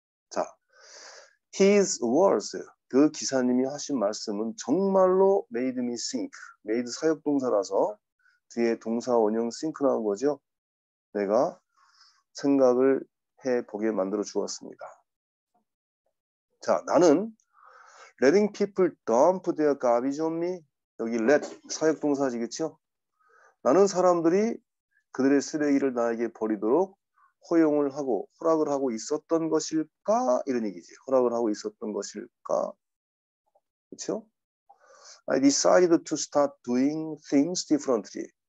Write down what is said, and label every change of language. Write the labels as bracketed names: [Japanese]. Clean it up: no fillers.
[Korean] 자, [English] his words, [Korean] 그 기사님이 하신 말씀은 정말로 [English] made me think, [Korean] made 사역동사라서 뒤에 동사 원형 think 나온 거죠. 내가 생각을 해보게 만들어 주었습니다. 자, 나는 [English] letting people dump their garbage on me. [Korean] 여기 let 사역동사지, 그렇죠? 나는 사람들이 그들의 쓰레기를 나에게 버리도록 허용을 하고 허락을 하고 있었던 것일까? 이런 얘기지. 허락을 하고 있었던 것일까? 그렇죠? [English] I decided to start doing things differently.